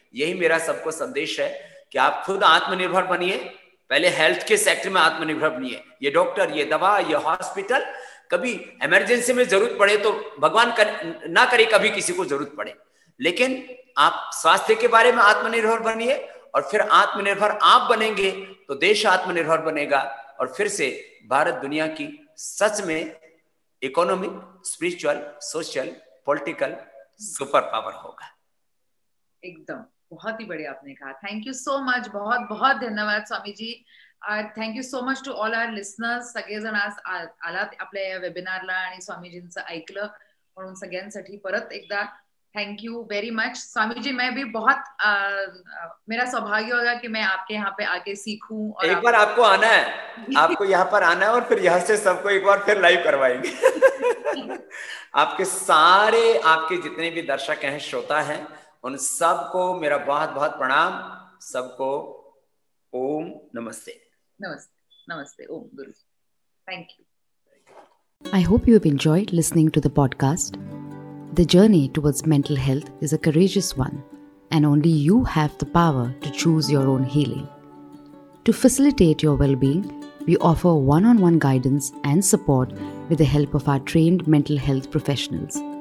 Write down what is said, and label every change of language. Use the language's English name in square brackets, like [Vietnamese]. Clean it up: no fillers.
[Hindi] यही मेरा सबको संदेश है कि आप खुद आत्मनिर्भर बनिए, पहले हेल्थ के सेक्टर में आत्मनिर्भर बनिए, ये डॉक्टर, ये दवा, ये हॉस्पिटल, कभी इमरजेंसी में जरूरत पड़े तो भगवान ना करे कभी किसी को जरूरत पड़े, लेकिन आप स्वास्थ्य के बारे में आत्मनिर्भर बनिए और फिर आत्मनिर्भर आप बनेंगे तो देश आत्मनिर्भर बनेगा और फिर से भारत दुनिया की सच में economic, spiritual, social, political super power होगा। एकदम, बहुत ही बढ़िया आपने कहा, [English] thank you so much, [Hindi] बहुत बहुत धन्यवाद Swami ji. [English] thank you so much to all our listeners, [Marathi] सगळे जण आज आलात आपल्या या वेबिनारला आणि स्वामीजींचं ऐकलं, म्हणून सगळ्यांसाठी परत एकदा [English] thank you very much [Marathi] Swami ji. [Hindi] मैं भी बहुत मेरा सौभाग्य होगा कि मैं आपके यहाँ पे आके सीखूं और एक बार आपको आना है, आपको यहाँ पर आना है और फिर यहाँ से सबको एक बार फिर लाइव करवाएंगे। आपके सारे, आपके जितने भी दर्शक हैं, श्रोता हैं, उन सबको मेरा बहुत बहुत प्रणाम, सबको ओम नमस्ते। नमस्ते, नमस्ते, ओम गुरु। [English] Thank you. I hope you have enjoyed listening to the podcast. The journey towards mental health is a courageous one, and only you have the power to choose your own healing. To facilitate your well-being, we offer one-on-one guidance and support with the help of our trained mental health professionals.